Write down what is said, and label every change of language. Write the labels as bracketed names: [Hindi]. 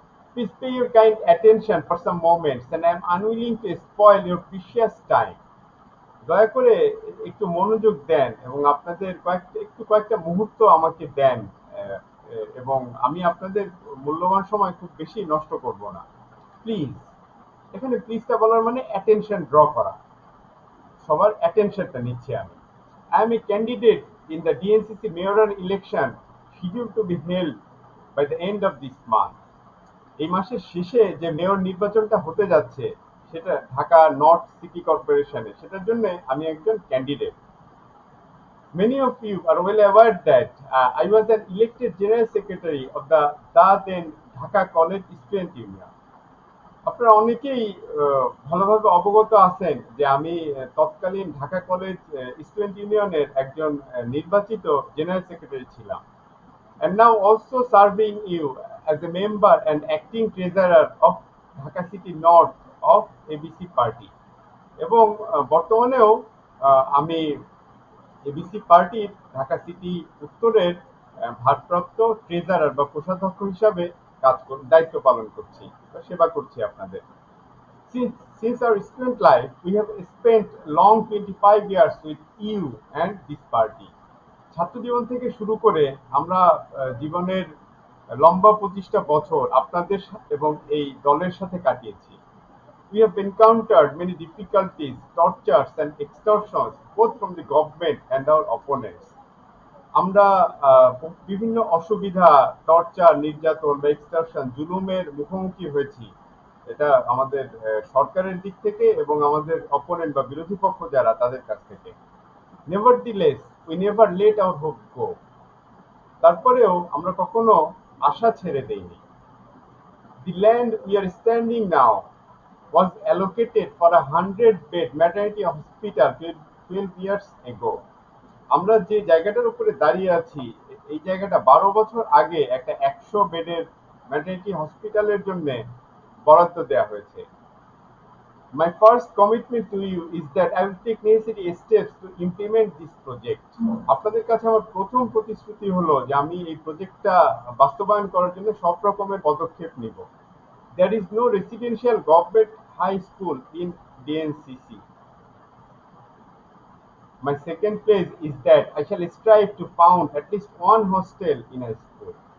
[English] please pay your kind attention for some moments and I am unwilling to spoil your precious time, [Bangla] দয়া করে একটু মনোযোগ দেন এবং আপনাদের কয়েকটা মুহূর্ত আমাকে দেন, এবং আমি আপনাদের মূল্যবান সময় খুব বেশি নষ্ট করব না। প্লিজ, এখানে প্লিজটা বলার মানে অ্যাটেনশন ড্র করা, সবার অ্যাটেনশনটা নিচ্ছি আমি। [English] I am a candidate in the DNCC mayoral election scheduled to be held by the end of this month. [Bangla] এই মাসের শেষে যে মেয়র নির্বাচনটা হতে যাচ্ছে সেটা ঢাকা নর্থ সিটি কর্পোরেশনে, সেটার জন্য আমি একজন candidate. [English] Many of you are well aware that I was an elected general secretary of the then Dhaka College Student Union. [Bangla] আপনারা অনেকেই ভালোভাবে অবগত আছেন যে আমি তৎকালীন ঢাকা কলেজ স্টুডেন্ট ইউনিয়নের একজন নির্বাচিত জেনারেল সেক্রেটারি ছিলাম। [English] And now also serving you as a member and acting treasurer of Dhaka City North of ABC Party. [Bangla] এবং বর্তমানেও আমি ABC পার্টির ঢাকা সিটি উত্তরের ভারপ্রাপ্ত ট্রেজারার বা কোষাধ্যক্ষ হিসাবে কাজ করে দায়িত্ব পালন করছি বা সেবা করছি আপনাদের। [English] Since our student life, we have spent long 25 years with you and this party. [Bangla] ছাত্র জীবন থেকে শুরু করে আমরা জীবনের লম্বা 25টা বছর আপনাদের এবং এই দলের সাথে কাটিয়েছি। [English] We have encountered many difficulties, tortures and extortions both from the government and our opponents. [Bangla] আমরা বিভিন্ন অসুবিধা, টর্চার, নির্যাতন বা এক্সটারশন, জুলুমের মুখোমুখি হয়েছি, এটা আমাদের সরকারের দিক থেকে এবং আমাদের অপোনেন্ট বা বিরোধী পক্ষ যারা তাদের কাছ থেকে। [English] Nevertheless, we never let our hope go. [Bangla] তারপরেও আমরা কখনো আশা ছেড়ে দেইনি। [English] The land we are standing now was allocated for a 100-bed maternity hospital 12 years ago. [Bangla] আমরা যে জায়গাটার উপরে দাঁড়িয়ে আছি এই জায়গাটা 12 বছর আগে একটা [English] 100-bedded maternity [Bangla] হসপিটালের জন্য বরাদ্দ দেওয়া হয়েছে। [English] My first commitment to you is that I will take necessary steps to implement this project. [Bangla] আপনাদের কাছে আমার প্রথম প্রতিশ্রুতি হলো যে আমি এই প্রজেক্টটা বাস্তবায়ন করার জন্য সব রকমের পদক্ষেপ নিব। [English] There is no residential government high school in DNCC. My second place is that I shall strive to found at least one hostel in a school.